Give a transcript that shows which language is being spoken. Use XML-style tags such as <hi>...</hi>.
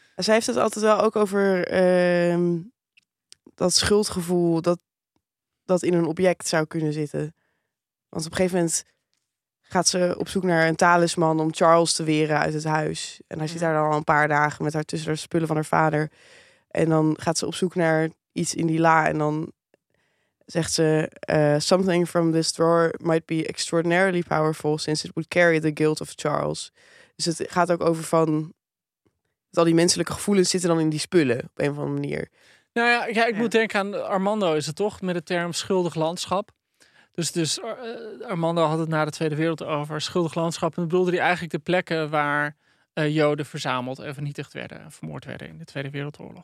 <nl>Zij heeft het altijd wel ook over dat schuldgevoel dat in een object zou kunnen zitten. Want op een gegeven moment... gaat ze op zoek naar een talisman om Charles te weren uit het huis. En hij zit daar dan al een paar dagen met haar tussen de spullen van haar vader. En dan gaat ze op zoek naar iets in die la. En dan zegt ze...</nl> <en>Something from this drawer might be extraordinarily powerful... since it would carry the guilt of Charles.</en> <nl>Dus het gaat ook over van... dat al die menselijke gevoelens zitten dan in die spullen... op een of andere manier. Nou ja, ja ik moet denken aan Armando is het toch... met de term schuldig landschap. Dus Armando had het na de Tweede Wereldoorlog over schuldig landschap. En bedoelde hij eigenlijk de plekken waar... Joden verzameld en vernietigd werden en vermoord werden in de Tweede Wereldoorlog.</nl>